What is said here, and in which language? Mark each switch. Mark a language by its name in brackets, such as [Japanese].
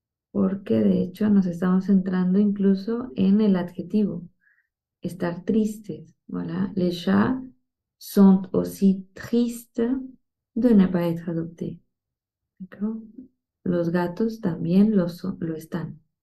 [Spanish] Porque de hecho nos estamos centrando incluso en el adjetivo. Estar tristes. ¿Voilà? [French] Les chats sont aussi tristes de ne pas être adoptés. ¿Okay? [Spanish] Los gatos también lo están.